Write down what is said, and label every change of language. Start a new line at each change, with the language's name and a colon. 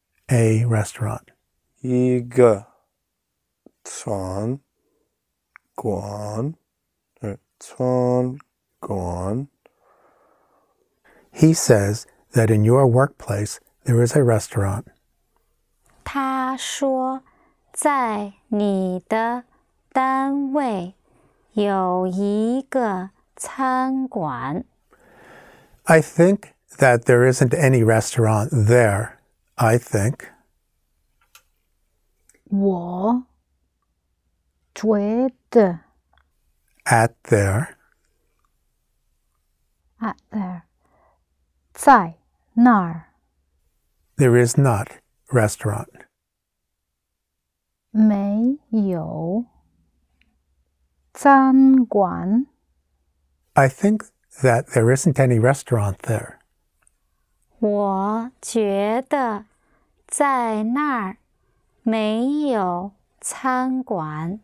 English: A restaurant. Yiga. Chuan. Guan. Chuan. Guan. He says that in your workplace, there is a restaurant.
Chinese: 他说在你的单位有一个餐馆.
English: I think that there isn't any restaurant there. I think.
Chinese: 我觉得.
English: At there. At there. 在.Nar. There is not restaurant.
Chinese: 没有餐馆.
English: I think that there isn't any restaurant there.
Chinese: 我觉得在那儿没有餐馆.